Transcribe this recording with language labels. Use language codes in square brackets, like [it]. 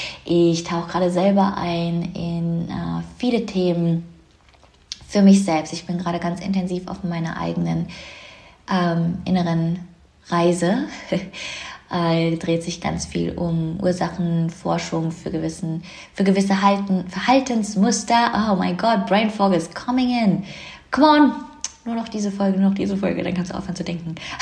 [de] Ich tauche gerade selber ein in viele Themen für mich selbst. Ich bin gerade ganz intensiv auf meiner eigenen inneren Reise. Dreht sich ganz viel um Ursachenforschung für gewisse Verhaltensmuster. [en] Oh my God, Brain Fog is coming in. Come on, [de] nur noch diese Folge, dann kannst du aufhören zu denken.